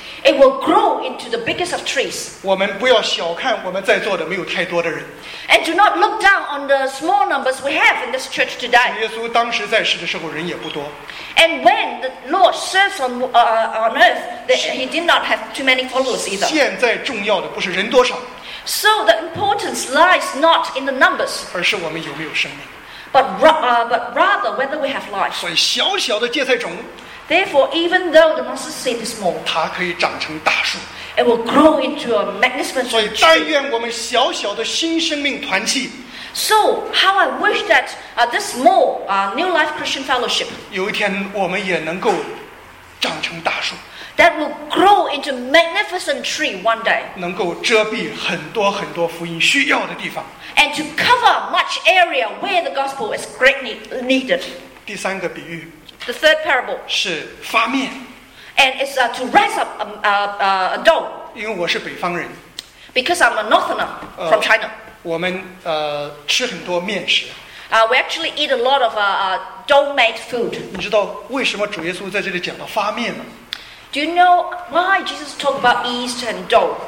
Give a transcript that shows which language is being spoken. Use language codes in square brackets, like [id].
[en] It will grow into the biggest of trees. [zh] 我们不要小看我们在座的没有太多的人。 [en] And do not look down on the small numbers we have in this church today. [zh] 耶稣当时在世的时候人也不多。 [en] And when the Lord serves on earth, he did not have too many followers either. [zh] 现在重要的不是人多少。 [en] So the importance lies not in the numbers. [zh] 而是我们有没有生命。 [en] But rather whether we have life. [zh] 所以小小的芥菜种。 [en] Therefore, even though the mustard seed is small, [zh] 它可以长成大树。 [en] It will grow into a magnificent tree. [zh] 所以，但愿我们小小的新生命团契。 [en] So, how I wish that this small New Life Christian Fellowship, [zh] 有一天我们也能够长成大树。 [en] That will grow into a magnificent tree one day. [zh] 能够遮蔽很多很多福音需要的地方。 [en] And to cover much area where the gospel is greatly needed. [zh] 第三个比喻。 [en] The third parable [zh] 是发面 [en] and it's to rise up a dough. [zh] 因为我是北方人 [en] because I'm a northerner from China. [zh] 我们吃很多面食 [en] we actually eat a lot of dough made food. [zh] 你知道为什么主耶稣在这里讲到发面吗？ [en] Do you know why Jesus talked about yeast and dough?